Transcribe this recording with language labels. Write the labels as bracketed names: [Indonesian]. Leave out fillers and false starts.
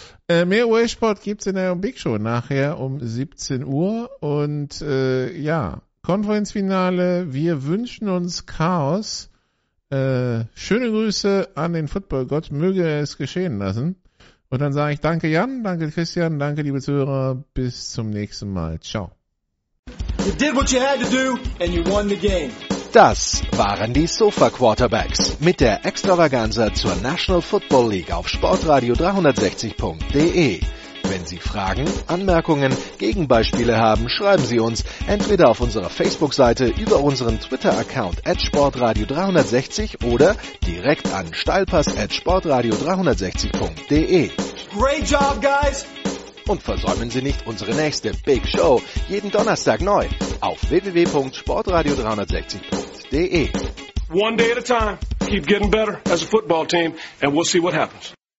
[German] Mehr US-Sport gibt's in der Big Show nachher um 17 Uhr und ja, Konferenzfinale, wir wünschen uns Chaos. Schöne Grüße an den Football-Gott, möge es geschehen lassen. Und dann sage ich danke Jan, danke Christian, danke liebe Zuhörer, bis zum nächsten Mal. Ciao. [English] You did what you had to do and you won the game. [German] Das waren die Sofa Quarterbacks mit der Extravaganza zur National Football League auf sportradio360.de. Wenn Sie Fragen, Anmerkungen, Gegenbeispiele haben, schreiben Sie uns entweder auf unserer Facebook-Seite über unseren Twitter-Account @sportradio360 oder direkt an steilpass@sportradio360.de. [English] Great job, guys! [German] Und versäumen Sie nicht unsere nächste Big Show jeden Donnerstag neu auf www.sportradio360.de. [English] One day at a time. Keep getting better as a football team and we'll see what happens.